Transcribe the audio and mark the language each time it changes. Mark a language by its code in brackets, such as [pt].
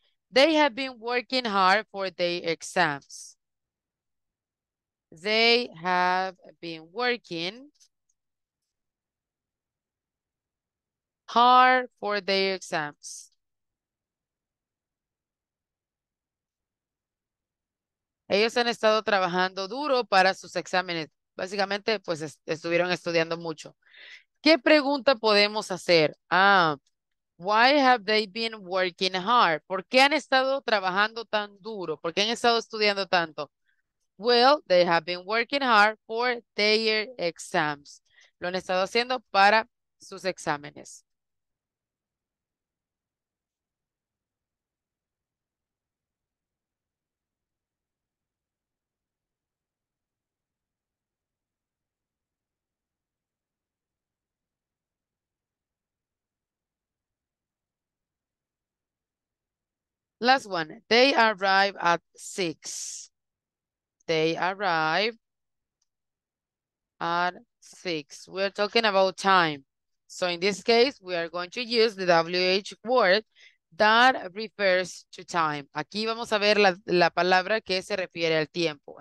[en] They have been working hard for their exams. They have been working hard for their exams. [es] Ellos han estado trabajando duro para sus exámenes. Básicamente, pues estuvieron estudiando mucho. ¿Qué pregunta podemos hacer? [en] Why have they been working hard? [es] ¿Por qué han estado trabajando tan duro? ¿Por qué han estado estudiando tanto? [en] Well, they have been working hard for their exams. [es] Lo han estado haciendo para sus exámenes. [en] Last one, they arrive at 6. They arrive at 6. We're talking about time. So in this case, we are going to use the WH word That refers to time. [es] Aquí vamos a ver la palabra que se refiere al tiempo.